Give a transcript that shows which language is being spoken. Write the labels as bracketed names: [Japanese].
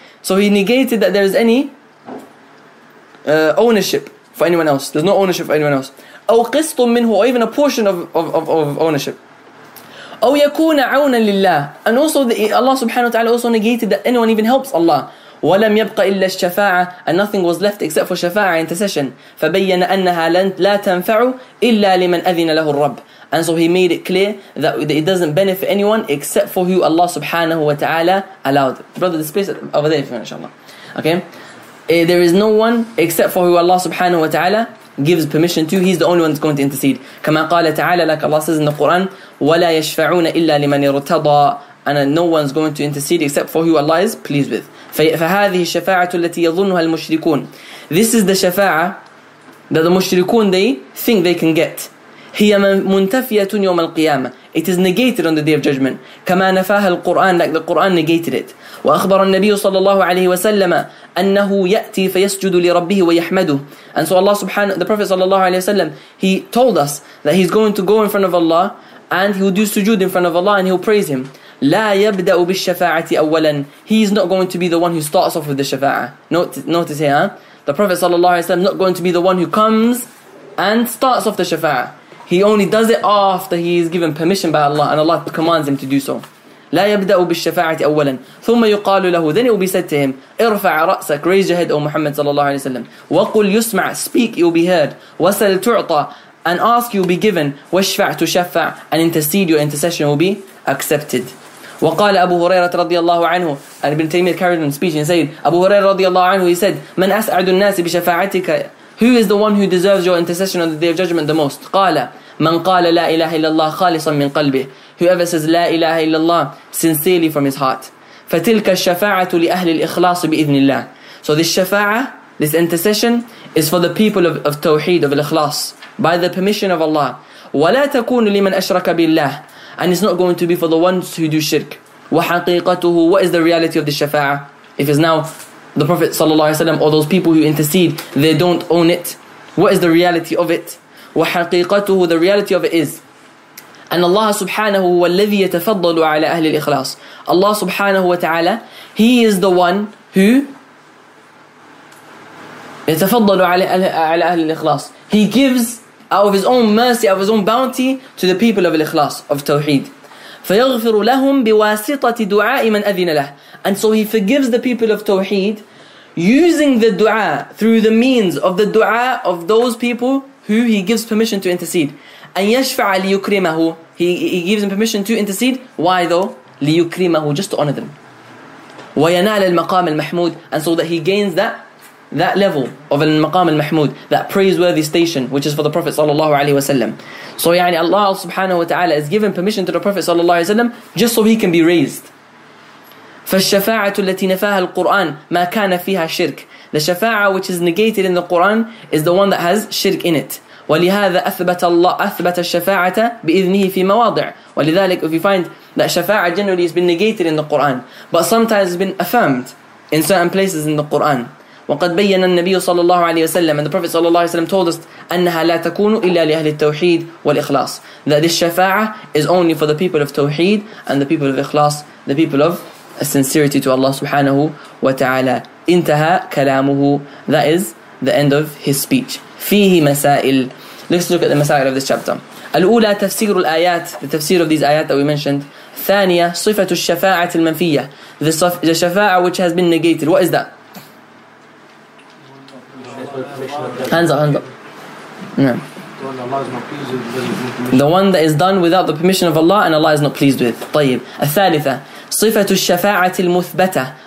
[English] So he negated that there is any ownership for anyone else. There's no ownership for anyone else. [Arabic] أو قسط منه, [English] or even a portion of ownership. [Arabic] أو يكون عونا لله. [English] And also Allah subhanahu wa ta'ala also negated that anyone even helps Allah. [Arabic] ولم يبقى إلا الشفاعة. [English] And nothing was left except for شفاعة, intercession. [Arabic] فبين أنها لا تنفع إلا لمن أذن له الرب. [English] And so he made it clear that it doesn't benefit anyone except for who Allah subhanahu wa ta'ala allowed. Brother, this place over there, if you want, inshallah. Okay? There is no one except for who Allah subhanahu wa ta'ala gives permission to. He's the only one that's going to intercede. [Arabic] كما قال تعالى, [English] like Allah says in the Quran, [Arabic] وَلَا يَشْفَعُونَ إِلَّا لِمَنِ ارْتَضَى. [English] And no one's going to intercede except for who Allah is pleased with. [Arabic] فَهَذِهِ الشَّفَاعَةُ الَّتِي يَظُنُّهَا الْمُشْرِكُونَ. [English] This is the shafa'ah that the mushrikun, they think they can get. [Arabic] هي منتفية يوم القيامة. [English] It is negated on the day of judgment. [Arabic] كما نفاه القرآن, [English] like the Quran negated it. [Arabic] وأخبر النبي صلى الله عليه وسلم أنه يأتي فيسجد لربه ويحمده. [English] And so Allah subhanahu, the Prophet صلى الله عليه وسلم, he told us that he's going to go in front of Allah and he will do sujood in front of Allah and he will praise him. [Arabic] لا يبدأ بالشفاعة أولا. [English] He is not going to be the one who starts off with the شفاعة. Notice here, the Prophet صلى الله عليه وسلم not going to be the one who comes and starts off the شفاعة. He only does it after he is given permission by Allah, and Allah commands him to do so. [Arabic] لا يبدأ بالشفاعة أولا ثم يقال له. [English] Then it will be said to him, [Arabic] ارفع رأسك, [English] raise your head, O Muhammad صلى الله عليه وسلم. [Arabic] وقل يسمع, [English] speak, you will be heard. [Arabic] وسل تعطى, [English] and ask, you will be given. واشفع, to شفع, and intercede, your intercession will be accepted. [Arabic] وقال أبو هريرة رضي الله عنه, [English] and Ibn Taymiyyah carried on speech and said, [Arabic] أبو هريرة رضي الله عنه, [English] he said, [Arabic] من أسعد الناس بشفاعتك. [English] Who is the one who deserves your intercession on the day of judgment the most? [Arabic] قال من قال لا إله إلا الله خالصا من قلبه. [English] Whoever says [Arabic] لا إله إلا الله [English] sincerely from his heart. [Arabic] فتلك الشفاعة لأهل الإخلاص بإذن الله. [English] So this شفاعة, this intercession is for the people of Tawheed, of الإخلاص, by the permission of Allah. [Arabic] ولا تكون لمن أشرك بالله. [English] And it's not going to be for the ones who do shirk. وحقيقته, what is the reality of the شفاعة? If it's now the Prophet صلى الله عليه وسلم or those people who intercede, they don't own it. What is the reality of it? [Arabic] وحقيقته, [English] the reality of it is [Arabic] أن الله سبحانه هو الذي يتفضل على أهل الإخلاص. Allah سبحانه وتعالى, [English] He is the one who [Arabic] يتفضل على أهل الإخلاص. [English] He gives out of His own mercy, out of His own bounty to the people of الإخلاص, of Tawheed. [Arabic] فيغفر لهم بواسطة دعاء من أذن له. [English] And so He forgives the people of Tawheed using the dua, through the means of the dua of those people who He gives permission to intercede. And [Arabic] يَشْفَعَ لِيُكْرِمَهُ. [English] He gives him permission to intercede. Why though? لِيُكْرِمَهُ, just to honor them. [Arabic] وَيَنَالَ الْمَقَامَ الْمَحْمُودِ. [English] And so that he gains that level of al-maqam al-mahmood, that praiseworthy station, which is for the Prophet sallallahu alayhi wa sallam. So يعني Allah subhanahu wa ta'ala has given permission to the Prophet sallallahu alayhi wa sallam just so he can be raised. [Arabic] فَالشَّفَاعَةُ الَّتِي نَفَاهَا الْقُرْآنِ مَا كَانَ فِيهَا شِرْكِ. [English] The shafa'a which is negated in the Quran is the one that has shirk in it. [Arabic] ولهذا أثبت الله أثبت الشفاعة بإذنه في مواضع. [English] ولذلك, if you find that شفاعة generally has been negated in the Quran, but sometimes it's been affirmed in certain places in the Quran. [Arabic] وقد بين النبي صلى الله عليه وسلم, [English] and the Prophet صلى الله عليه وسلم told us, [Arabic] أنها لا تكون إلا لأهل التوحيد والإخلاص, [English] that this شفاعة is only for the people of توحيد and the people of إخلاص, the people of sincerity to Allah subhanahu wa ta'ala. [Arabic] انتهى كلامه, [English] that is the end of his speech. [Arabic] فيه مسائل. [English] Let's look at the مسائل of this chapter. [Arabic] الأولى تفسير الآيات, [English] the tafsir of these ayat that we mentioned. [Arabic] ثانية صفة الشفاعة المنفية, the شفاعة [English] which has been negated. What is that? Hands up. No. The one that is done without the permission of Allah and Allah is not pleased with. [Arabic] طيب. الثالثة صفة الشفاعة المثبتة.